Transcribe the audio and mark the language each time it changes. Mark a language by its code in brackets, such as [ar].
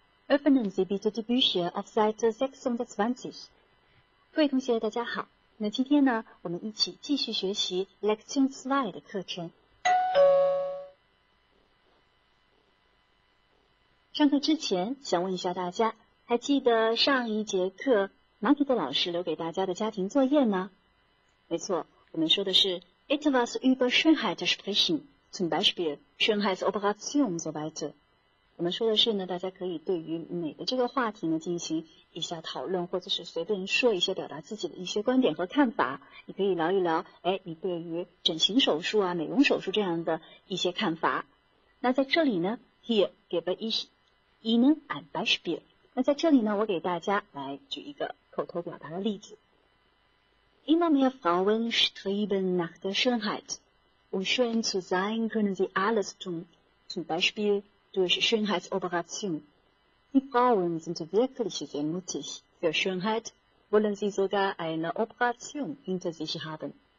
[de] Öffnen Sie bitte die Bücher auf Seite 26. [zh] 各位同学，大家好。那今天呢，我们一起继续学习 Lektion 2的课程。上课之前，想问一下大家，还记得上一节课 Margit 老师留给大家的家庭作业吗？没错，我们说的是 [de] etwas über Schönheit sprechen, zum Beispiel Schönheitsoperation und so weiter。 [zh] 我们说的是呢，大家可以对于美的这个话题呢进行一下讨论，或者是随便说一些表达自己的一些观点和看法。你可以聊一聊，哎，你对于整形手术啊、美容手术这样的一些看法。那在这里呢 [de] ，hier gebe ich Ihnen ein Beispiel。 [zh] 那在这里呢，我给大家来举一个口头表达的例子。 [de] Immer mehr Frauen streben nach der Schönheit, um schön zu sein, können sie alles tun, zum Beispiel. Durch Schönheitsoperation. Die Frauen sind wirklich sehr mutig. Für Schönheit wollen sie sogar eine Operation hinter sich haben.